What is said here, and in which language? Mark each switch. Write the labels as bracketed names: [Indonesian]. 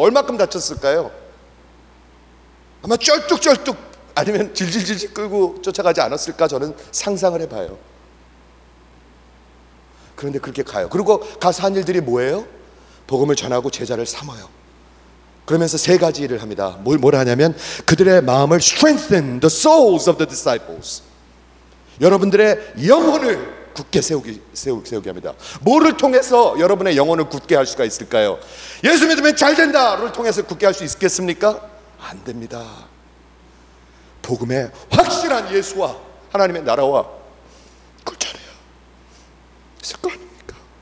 [Korean] 얼마큼 다쳤을까요? 아마 쩔뚝쩔뚝 아니면 질질질질 끌고 쫓아가지 않았을까 저는 상상을 해봐요. 그런데 그렇게 가요. 그리고 가서 한 일들이 뭐예요? 복음을 전하고 제자를 삼아요. 그러면서 세 가지 일을 합니다. 뭘 하냐면 그들의 마음을 [English] strengthen the souls of the disciples. [Korean] 여러분들의 영혼을 굳게 세우게 합니다. 뭐를 통해서 여러분의 영혼을 굳게 할 수가 있을까요? 예수 믿으면 잘 된다를 통해서 굳게 할 수 있겠습니까? 안 됩니다. 복음의 확실한 예수와 하나님의 나라와 그걸 잘해야 있을 거 아닙니까?